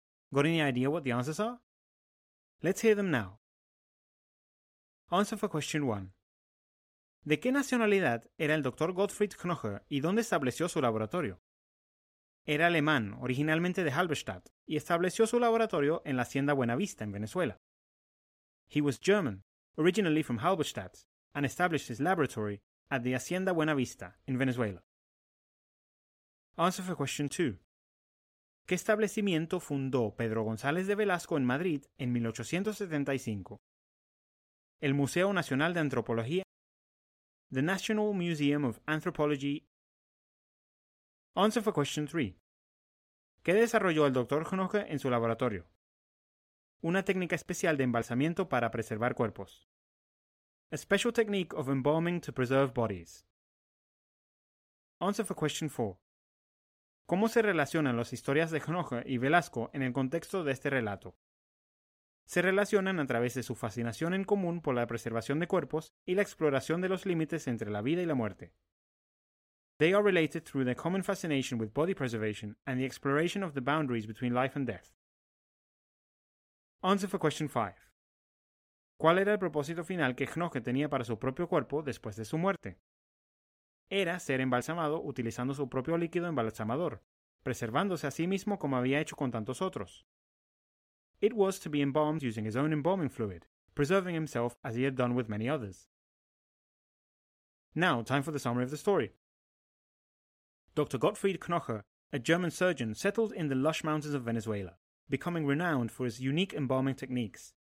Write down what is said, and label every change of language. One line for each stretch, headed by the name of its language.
English: Got any idea what the answers are? Let's hear them now. Answer for question 1.
Spanish: ¿De qué nacionalidad era el Dr. Gottfried Knoche y dónde estableció su laboratorio? Era alemán, originalmente de Halberstadt, y estableció su laboratorio en la Hacienda Buenavista, en Venezuela.
English: He was German, originally from Halberstadt, and established his laboratory at the Hacienda Buenavista, in Venezuela. Answer for question 2.
Spanish: ¿Qué establecimiento fundó Pedro González de Velasco en Madrid en 1875? El Museo Nacional de Antropología.
English: The National Museum of Anthropology. Answer for question 3.
Spanish: ¿Qué desarrolló el Dr. Knoche en su laboratorio? Una técnica especial de embalsamiento para preservar cuerpos.
English: A special technique of embalming to preserve bodies. Answer for question 4.
Spanish: ¿Cómo se relacionan las historias de Knoche y Velasco en el contexto de este relato? Se relacionan a través de su fascinación en común por la preservación de cuerpos y la exploración de los límites entre la vida y la muerte.
English: They are related through their common fascination with body preservation and the exploration of the boundaries between life and death. Answer for question 5.
Spanish: ¿Cuál era el propósito final que Knoche tenía para su propio cuerpo después de su muerte? Era ser embalsamado utilizando su propio líquido embalsamador, preservándose a sí mismo como había hecho con tantos otros.
English: It was to be embalmed using his own embalming fluid, preserving himself as he had done with many others. Now, time for the summary of the story. Dr. Gottfried Knoche, a German surgeon, settled in the lush mountains of Venezuela, becoming renowned for his unique embalming techniques.